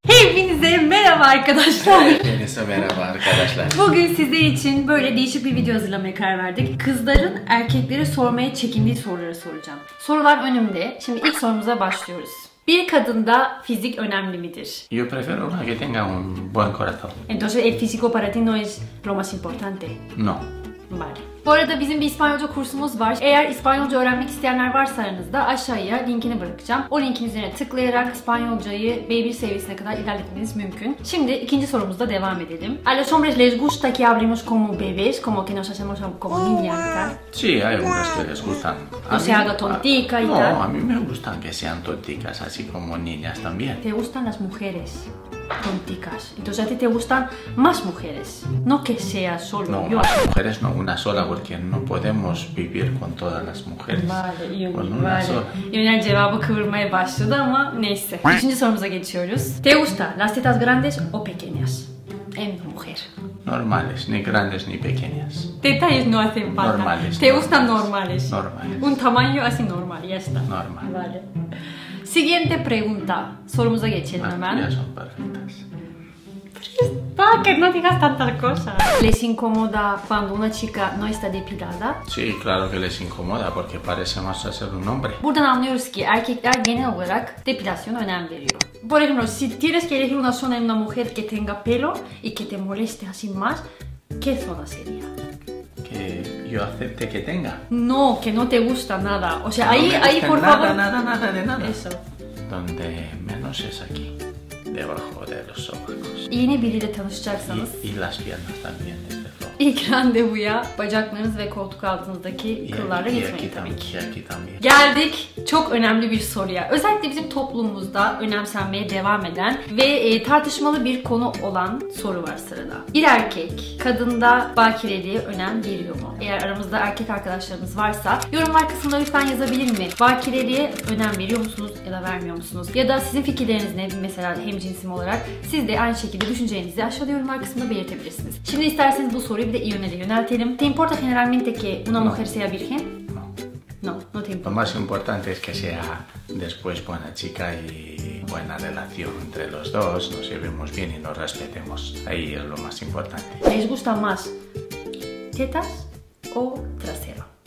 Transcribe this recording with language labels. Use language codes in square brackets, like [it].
[tr] Hepinize merhaba arkadaşlar. Hepinize merhaba arkadaşlar. Bugün sizler için böyle değişik bir video hazırlamaya karar verdik. Kızların erkeklere sormaya çekindiği soruları soracağım. Sorular önümde. Şimdi ilk sorumuza başlıyoruz. Bir kadında fizik önemli midir? [es] Yo prefiero una que tenga un buen corazón. Entonces el físico para ti no es lo más importante. No. Vale. [tr] Bu arada bizim bir İspanyolca kursumuz var. Eğer İspanyolca öğrenmek isteyenler varsa aranızda aşağıya linkini bırakacağım. O linkin üzerine tıklayarak İspanyolcayı B1 seviyesine kadar ilerletmeniz mümkün. Şimdi ikinci sorumuzda devam edelim. [es] A los hombres les gusta que hablemos como bebés, como que nos hacemos como niñas. Sí, hay hombres que les gustan. No se haga tontica y tal. No, a mí me gustan que sean tonticas, así como niñas también. ¿Te gustan las mujeres? Tonticas. Entonces a ti te gustan más mujeres, no que sea solo no, yo. No, más mujeres no, una sola, porque no podemos vivir con todas las mujeres. [tr] Vale, Yunel cevabı kıvırmaya başladı ama neyse. Üçüncü sorumuza geçiyoruz. [es] ¿Te gusta las tetas grandes o pequeñas? En mujer. Normales, ni grandes ni pequeñas. Detalles no hacen falta. Normales. ¿Te gustan normales? Normales. Un tamaño así normal, ya está. Normal. Vale. Siguiente pregunta. [tr] Sorumuza geçelim hemen. [es] Las son perfectas. Presta, que no digas tantas cosas. ¿Les incomoda cuando una chica no está depilada? Sí, claro que les incomoda porque parece más ser un hombre. [tr] Buradan anlıyoruz ki erkekler genel olarak depilasyona önem veriyor. [es] Por ejemplo, si tienes que elegir una zona en una mujer que tenga pelo y que te moleste así más, ¿qué zona sería? Que yo acepte que tenga. No, que no te gusta nada. O sea, no ahí, me gusta ahí por nada, favor. Nada, nada, de nada. Eso. Donde menos es aquí, debajo de los sobacos. [tr] Yeni biriyle tanışacaksanız. [es] Y las piernas también. [tr] İlk randevuya bacaklarınız ve koltuk altındaki kıllarla gitmeyin tabii ki. Geldik çok önemli bir soruya. Özellikle bizim toplumumuzda önemsenmeye devam eden ve tartışmalı bir konu olan soru var sırada. Bir erkek kadında bakireliğe önem veriyor mu? Eğer aramızda erkek arkadaşlarımız varsa yorumlar kısmında lütfen yazabilir mi? Bakireliğe önem veriyor musunuz ya da vermiyor musunuz? Ya da sizin fikirleriniz ne? Mesela hemcinsim olarak siz de aynı şekilde düşüncelerinizi aşağıda yorumlar kısmında belirtebilirsiniz. Şimdi isterseniz bu soruyu bir de İyonel'e yöneltelim. [es] ¿Te importa generalmente que una mujer sea virgen? No. No, no te importa. Lo más importante es que sea después buena chica y buena relación entre los dos. Nos llevemos bien y nos respetemos. Ahí es lo más importante. ¿Les gusta más tetas o trasero?